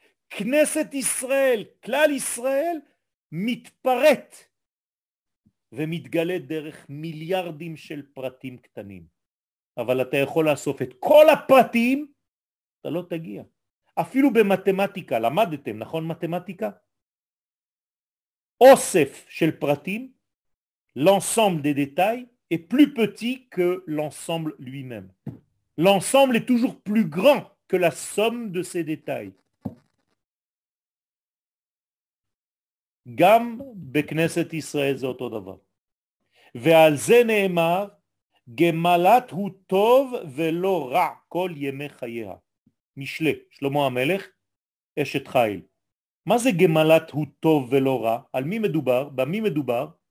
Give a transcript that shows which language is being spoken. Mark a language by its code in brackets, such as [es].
[he] כנסת ישראל, כלל ישראל, מתפרט ומתגלה דרך מיליארדים של פרטים קטנים. אבל אתה יכול לאסוף את כל הפרטים, אתה לא תגיע. אפילו במתמטיקה, למדתם, נכון מתמטיקה? אוסף של פרטים, [fr] l'ensemble des détails est plus petit que l'ensemble lui-même. L'ensemble est toujours plus grand que la somme de ses détails. [he] גם בכנסת ישראל זה אותו דבר. ועל זה נאמר, גמלת הוא טוב ולא רע כל ימי חייה. משלה, שלמה המלך, אשת חיל. מה זה גמלת הוא טוב ולא רע? על מי מדובר? במי מדובר?